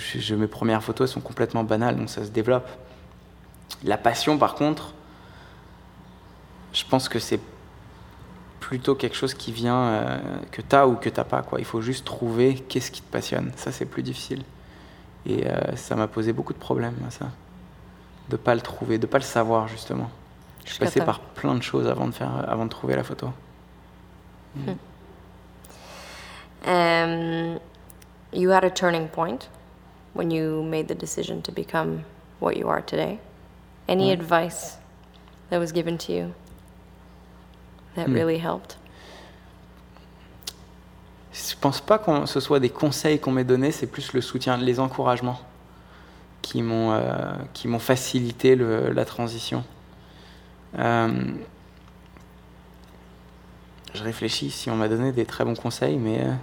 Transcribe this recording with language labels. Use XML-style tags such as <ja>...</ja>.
<fr>Mes premières photos, elles sont complètement banales, donc ça se développe. La passion, par contre, je pense que c'est plutôt quelque chose qui vient que t'as ou que t'as pas, quoi. Il faut juste trouver qu'est-ce qui te passionne. Ça, c'est plus difficile. Et ça m'a posé beaucoup de problèmes, ça. De pas le trouver, de pas le savoir, justement. Je suis passé par plein de choses avant de trouver la photo.</fr> <en>You had a turning point when you made the decision to become what you are today. Any advice that was given to you that really helped?</en> <fr>Je pense pas que ce soit des conseils qu'on m'ait donnés, c'est plus le soutien, les encouragements qui m'ont facilité la transition. Je réfléchis si on m'a donné des très bons conseils, mais...</fr>